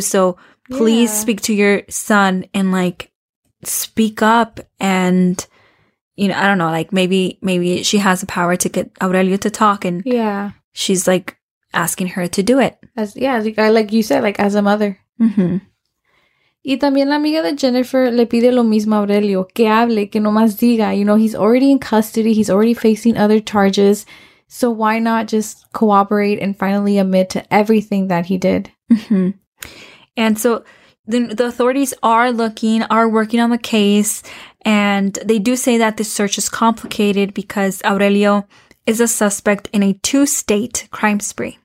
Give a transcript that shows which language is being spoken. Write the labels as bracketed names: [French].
[English] So please speak to your son and, like, speak up. And, you know, I don't know, like, maybe she has the power to get Aurelio to talk. And she's, like, asking her to do it. As, like you said, like, as a mother. Mm-hmm. [Spanish] Y también la amiga de Jennifer le pide lo mismo a Aurelio, que hable, que nomás diga. [English] You know, he's already in custody, he's already facing other charges, so why not just cooperate and finally admit to everything that he did? Mm-hmm. And so the authorities are looking, are working on the case, and they do say that the search is complicated because Aurelio is a suspect in a two-state crime spree.